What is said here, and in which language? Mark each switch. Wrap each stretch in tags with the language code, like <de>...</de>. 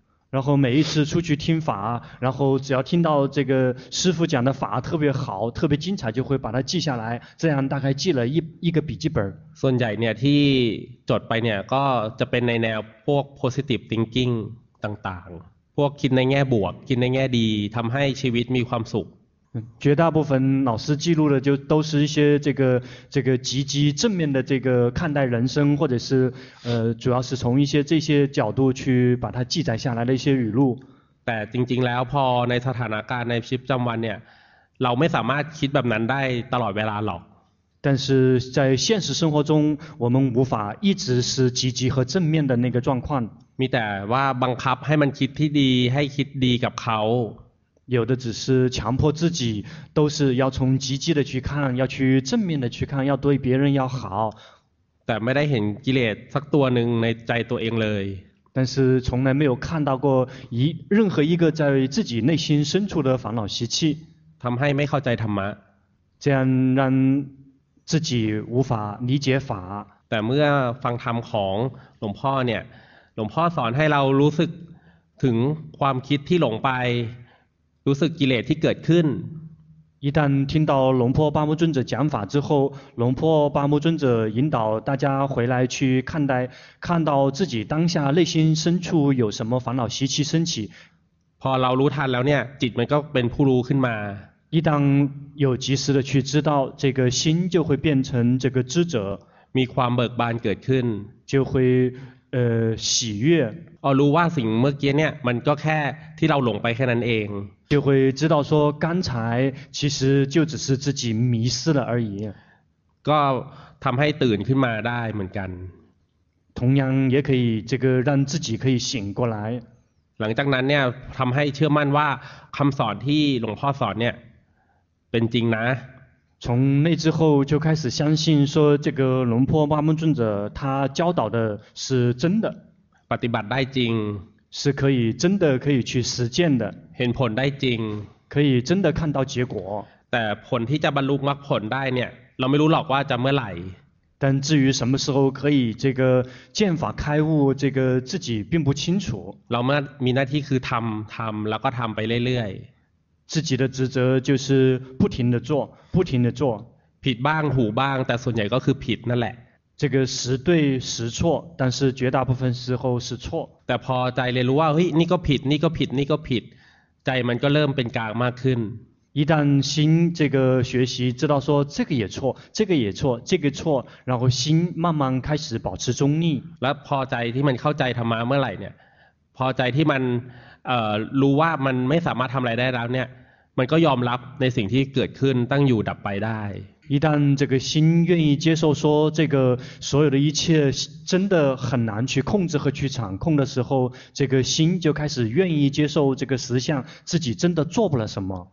<zh>然后每一次出去听法，然后只要听到这个师父讲的法特别好、特别精彩，就会把它记下来，这样大概记了一个笔记本。</zh> <th>ส่วนใหญ่เนี่ยที่จดไปเนี่ยก็จะเป็นในแนวพวก</th> <en>positive thinking</en> <th>ต่างๆพวกคิดในแง่บวกคิดในแง่ดีทำให้ชีวิตมีความสุข</th> <zh>绝大部分老师记录的就都是一些这个积极正面的这个看待人生，或者是主要是从一些这些角度去把它记载下来的一些语录。</zh> <th>แต่จริงๆแล้วพอในสถานการณ์ในชีวิตประจำวันเนี่ยเราไม่สามารถคิดแบบนั้นได้ตลอดเวลาหรอก。</th> <zh>但是在现实生活中，我们无法一直是积极和正面的那个状况。</zh> <th>มีแต่ว่าบังคับให้มันคิดที่ดีให้คิดดีกับเขา。</th> <zh>有的只是强迫自己，都是要从积极的去看，要去正面的去看，要对别人要好。但没</zh> <th>ได้เห็นกิเลสสักตัวหนึ่งในใจตัวเองเลย。</th> <zh>但是从来没有看到过任何一个在自己内心深处的烦恼习气。</zh> <th>ทำให้ไม่เข้าใจธรรมะ。</th> <zh>这样让自己无法理解法。</zh> <th>แต่เมื่อฟังธรรมของหลวงพ่อเนี่ยหลวงพ่อสอนให้เรารู้สึกถึงความคิดที่หลงไปรู้สึกกิเลสที่เกิดขึ้น</th> <zh>一旦听到龙婆巴木尊者讲法之后，龙婆巴木尊者引导大家回来去看待，看到自己当下内心深处有什么烦恼习气升起。</zh> <th>พอเรารู้ทันแล้วเนี่ยจิตมันก็เป็นผู้รู้ขึ้นมา</th> <zh>一旦有及时的去知道，这个心就会变成这个知者，</zh> <th>มีความเบิกบานเกิดขึ้น</th> <zh>就会喜悦。</zh> <th>รู้ว่าสิ่งเมื่อกี้เนี่ยมันก็แค่ที่เราหลงไปแค่นั้นเอง</th> <zh>就会知道说刚才其实就只是自己迷失了而已</zh> <th>ก็ทำให้ตื่นขึ้นมาได้เหมือนกัน</th> <zh>同样也可以这个让自己可以醒过来</zh> <th>หลังจากนั้นเนี่ยทำให้เชื่อมั่นว่าคำสอนที่หลวงพ่อสอนเนี่ยเป็นจริงนะ</th> <zh>从那之后就开始相信说这个龙婆巴木尊者他教导的是真的</zh> <th>ปฏิบัติได้จริง</th> <zh>是可以真的可以去实践的</zh> <th>เห็นผลได้จริง</th> <zh>可以真的看到结果</zh> <th>แต่ผลที่จะบรรลุมรรคผลได้เนี่ยเราไม่รู้หรอกว่าจะเมื่อไหร่</th> <zh>但至于什么时候可以这个见法开悟这个自己并不清楚</zh> <th>เรามีหน้าที่คือทำแล้วก็ทำไปเรื่อย</th> <zh>ๆ自己的职责就是不停地做</zh> <th>ผิดบ้างถูกบ้างแต่ส่วนใหญ่ก็คือผิดนั่นแหละ</th> <zh>这个时对时错但是绝大部分时候是错</zh> <th>แต่พอใจเรียนรู้ว่าเฮ้ยนี่ก็ผิดนี่ก็ผิดนี่ก็ผิดใจมันก็เริ่มเป็นกลางมากขึ้น</th> <zh>一旦心这个学习知道说这个也错这个也错这个错然后心慢慢开始保持中立</zh> <th>แล้วพอใจที่มันเข้าใจธรรมะเมื่อไหร่เนี่ยพอใจที่มันรู้ว่ามันไม่สามารถทำอะไรได้แล้วเนี่ยมันก็ยอมรับในสิ่งที่เกิดขึ้นตั้งอยู่ดับไปได้</th> <zh>一旦这个心愿意接受说这个所有的一切真的很难去控制和去掌控的时候这个心就开始愿意接受这个实相自己真的做不了什么</zh>